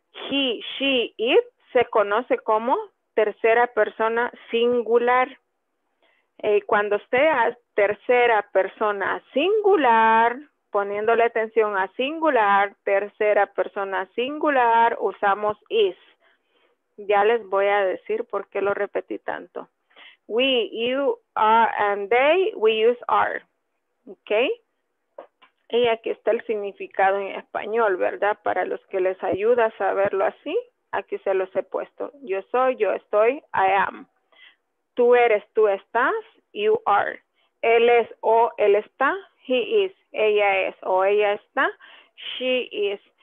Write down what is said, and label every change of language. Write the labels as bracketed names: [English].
[Spanish] He, she, it se conoce como tercera persona singular. Cuando usted a tercera persona singular, poniéndole atención a singular, tercera persona singular, usamos is. Ya les voy a decir por qué lo repetí tanto. [English] We, you, are, and they, we use are. ¿Ok? [Spanish] Y aquí está el significado en español, ¿verdad? Para los que les ayuda a saberlo así, aquí se los he puesto. Yo soy, yo estoy, [English] I am. [Spanish] Tú eres, tú estás, [English] you are. [Spanish] Él es o él está, [English] he is. [Spanish] Ella es o ella está, [English] she is.